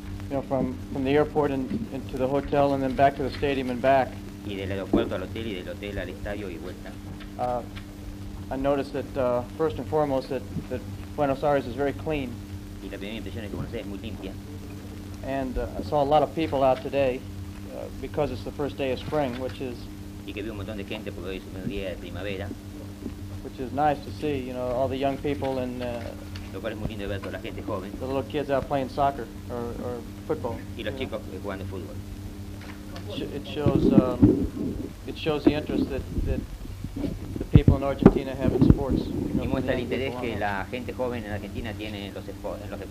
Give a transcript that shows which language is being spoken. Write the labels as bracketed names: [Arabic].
[English] You know, from the airport and to the hotel and then back to the stadium and back. [Spanish] Y del aeropuerto al hotel y del hotel al estadio y vuelta. [English] I noticed that first and foremost that Buenos Aires is very clean. [Spanish] Y la primera impresión es que Buenos Aires es muy limpia. [English] And I saw a lot of people out today because it's the first day of spring, which is. [Spanish] Y que vi un montón de gente porque hoy es el primer día de primavera. [English] Which is nice to see, you know, all the young people and. [Spanish] Lo cual es muy lindo ver toda la gente joven. [English] The little kids out playing soccer or football. [Spanish] Y los chicos que juegan de fútbol. [English] It shows the interest that the people in Argentina have in sports. [Spanish] Y muestra el interés que la gente joven en Argentina tiene en los deportes.